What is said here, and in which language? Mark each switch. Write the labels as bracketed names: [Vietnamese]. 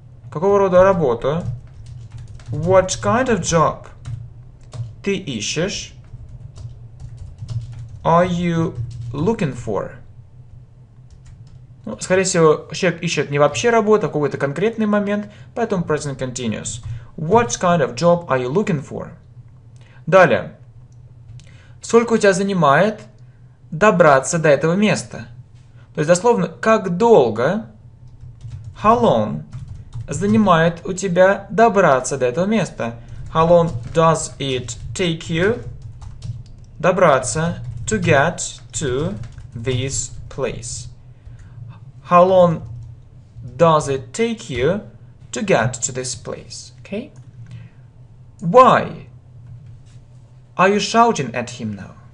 [Russian] Какого рода работу? [English] What kind of job [Russian] ты ищешь? [English] Are you looking for? [Russian] Ну, скорее всего, человек ищет не вообще работу, а какой-то конкретный момент, поэтому present continuous. [English] What kind of job are you looking for? [Russian] Далее. Сколько у тебя занимает добраться до этого места? То есть, дословно, как долго, [English] how long, [Russian] занимает у тебя добраться до этого места? [English] How long does it take you [Russian] добраться [English] to get to this place? How long does it take you to get to this place? Okay? Why are you shouting at him now?